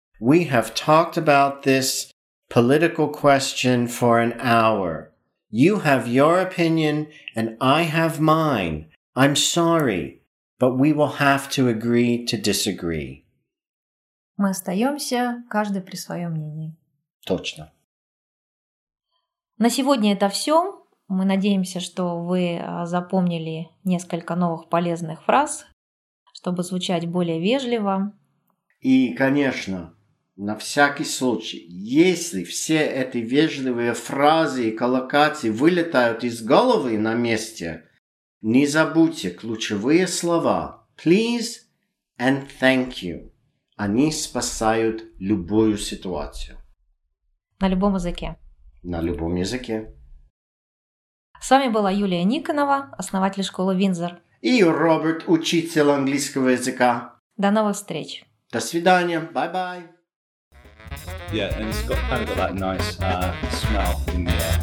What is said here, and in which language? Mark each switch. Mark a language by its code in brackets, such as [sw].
[en] We have talked about this political question for an hour. You have your opinion and I have mine. I'm sorry, but we will have to agree to disagree. [ru] Мы остаемся каждый при своем мнении. Точно. На сегодня это все. Мы надеемся, что вы запомнили несколько новых полезных фраз, чтобы звучать более вежливо. И, конечно, на всякий случай, если все эти вежливые фразы и коллокации вылетают из головы на месте, не забудьте ключевые слова [en] «please» and «thank you». [ru] Они спасают любую ситуацию. На любом языке. На любом языке. С вами была Юлия Никонова, основатель школы Windsor. И Роберт, учитель английского языка. До новых встреч. До свидания. [en] Bye-bye. Yeah, and it's got kind of got that nice smell in the air.